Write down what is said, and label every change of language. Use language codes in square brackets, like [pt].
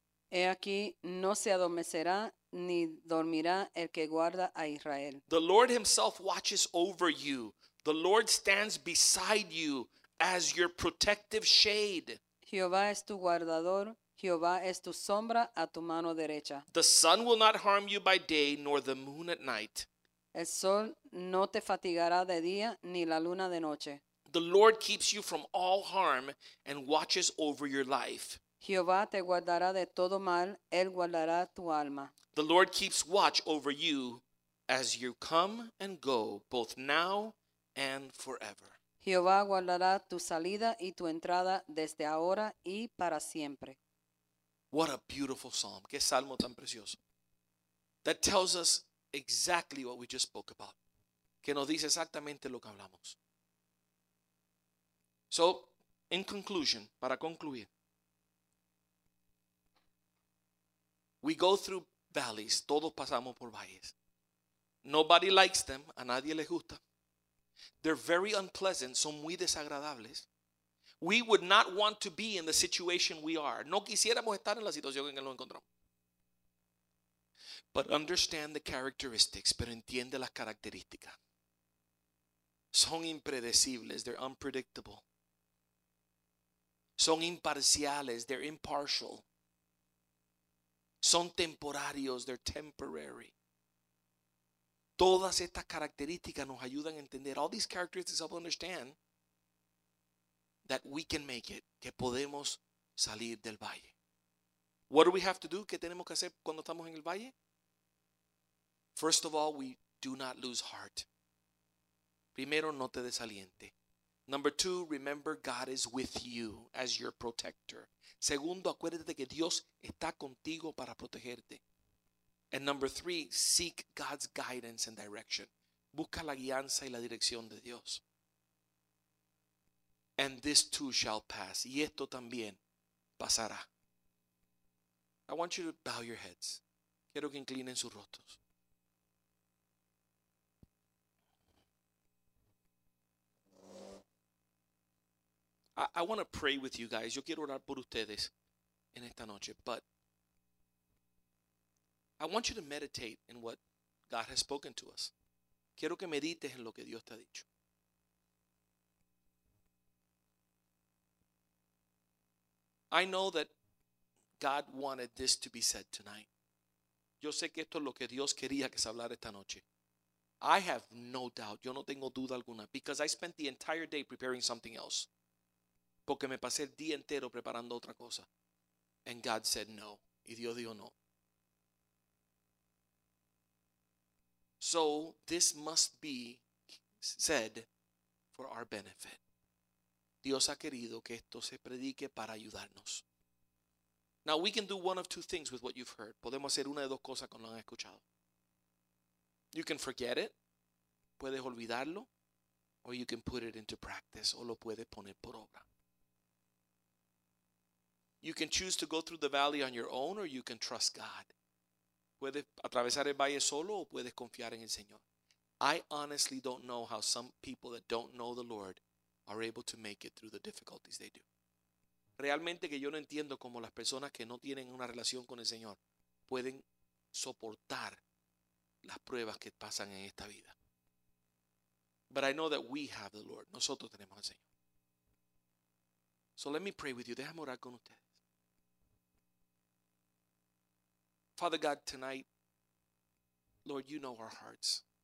[es] He aquí, no se adormecerá ni dormirá el que guarda a Israel. [en] The Lord himself watches over you. The Lord stands beside you as your protective shade. [es] Jehová es tu guardador. Jehová es tu sombra a tu mano derecha. [en] The sun will not harm you by day, nor the moon at night. [es] El sol no te fatigará de día ni la luna de noche. [en] The Lord keeps you from all harm and watches over your life. [es] Jehová te guardará de todo mal, él guardará tu alma. [en] The Lord keeps watch over you as you come and go, both now and forever. [es] Jehová guardará tu salida y tu entrada desde ahora y para siempre. [en] What a beautiful psalm. [es] Qué salmo tan precioso. [en] That tells us exactly what we just spoke about. [es] Que nos dice exactamente lo que hablamos. [en] So, in conclusion, [es] para concluir, [en] we go through valleys. [es] Todos pasamos por valles. [en] Nobody likes them. [es] A nadie les gusta. [en] They're very unpleasant. [es] Son muy desagradables. [en] We would not want to be in the situation we are. [es] No quisiéramos estar en la situación en que lo encontramos. [en] But understand the characteristics. [es] Pero entiende las características. Son impredecibles. [en] They're unpredictable. [es] Son imparciales. [en] They're impartial. [es] Son temporarios. [en] They're temporary. [es] Todas estas características nos ayudan a entender. [en] All these characteristics help understand that we can make it. [es] Que podemos salir del valle. [en] What do we have to do? [es] ¿Qué tenemos que hacer cuando estamos en el valle? [en] First of all, we do not lose heart. [es] Primero, no te desaliente. [en] Number two, remember God is with you as your protector. [es] Segundo, acuérdate que Dios está contigo para protegerte. [en] And number three, seek God's guidance and direction. [es] Busca la guianza y la dirección de Dios. [en] And this too shall pass. [es] Y esto también pasará. [en] I want you to bow your heads. [es] Quiero que inclinen sus rostros. [en] I want to pray with you guys. [es] Yo quiero orar por ustedes en esta noche. [en] But I want you to meditate in what God has spoken to us. [es] Quiero que medites en lo que Dios te ha dicho. [en] I know that God wanted this to be said tonight. [es] Yo sé que esto es lo que Dios quería que se hablara esta noche. [en] I have no doubt. [es] Yo no tengo duda alguna. [en] Because I spent the entire day preparing something else. [es] Porque me pasé el día entero preparando otra cosa. [en] And God said no. [es] Y Dios dijo no. [en] So this must be said for our benefit. [es] Dios ha querido que esto se predique para ayudarnos. [en] Now we can do one of two things with what you've heard. [es] Podemos hacer una de dos cosas con lo que han escuchado. [en] You can forget it. [es] Puedes olvidarlo. [en] Or you can put it into practice. [es] O lo puedes poner por obra. [en] You can choose to go through the valley on your own or you can trust God. [es] Puedes atravesar el valle solo o puedes confiar en el Señor. [en] I honestly don't know how some people that don't know the Lord are able to make it through the difficulties they do. [es] Realmente que yo no entiendo cómo las personas que no tienen una relación con el Señor pueden soportar las pruebas que pasan en esta vida. [en] But I know that we have the Lord. [es] Nosotros tenemos al Señor. [en] So let me pray with you. [es] Déjame orar con ustedes. [en] Father God, tonight, Lord, you know our hearts.